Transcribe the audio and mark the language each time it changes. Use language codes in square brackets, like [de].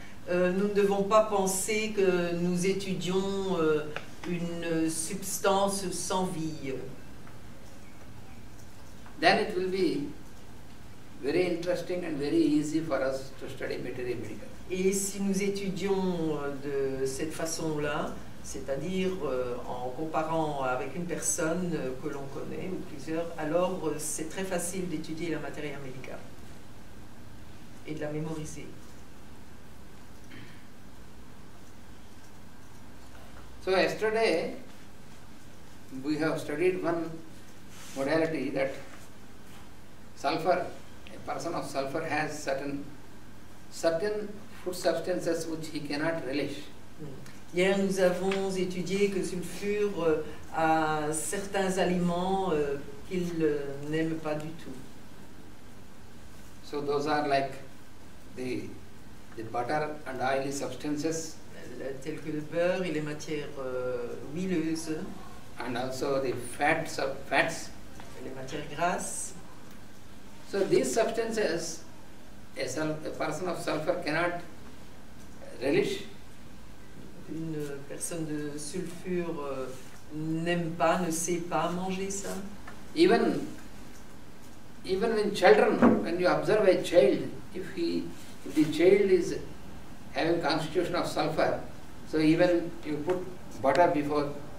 [fr] Nous ne devons pas penser que nous étudions une substance sans vie. [en] Then it will be very interesting and very easy for us to study materia medica. [fr] Et si nous étudions de cette façon-là, c'est-à-dire en comparant avec une personne que l'on connaît ou plusieurs, alors c'est très facile d'étudier la materia medica et de la mémoriser. [en] So yesterday we have studied one modality, that sulfur, a person of sulfur has certain food substances which he cannot relish. [fr] Hier nous avons étudié que sulfure a certains aliments qu'il n'aime pas du tout. [en] So those are like the butter and oily substances. [fr] Tels que le beurre et les matières huileuses. [en] And also the fats of fats. [fr] Et les matières grasses. [en] So these substances, a person of sulfur cannot relish. [fr] Une personne de sulfure n'aime pas, ne sait pas manger ça. [en] Even in children, when you observe a child, if the child is having constitution of sulfur, so even you put butter before